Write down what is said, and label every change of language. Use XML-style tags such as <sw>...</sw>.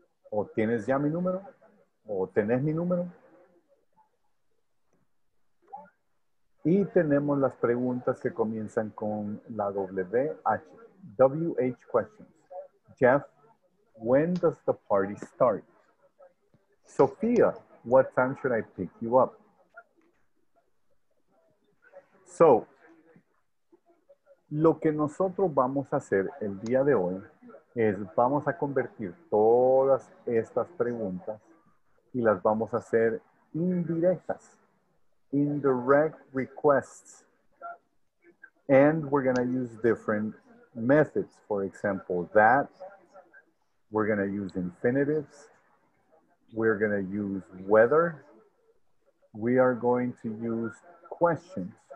<es>¿O tienes ya mi número? ¿O tenés mi número? Y tenemos las preguntas que comienzan con la WH, WH questions.</es> <en>Jeff, when does the party start? Sophia, what time should I pick you up? So,</en> <es>lo que nosotros vamos a hacer el día de hoy es vamos a convertir todas estas preguntas y las vamos a hacer indirectas.</es> <en>Indirect requests, and we're going to use different methods. For example, that, we're going to use infinitives, we're going to use whether, we are going to use questions.</en>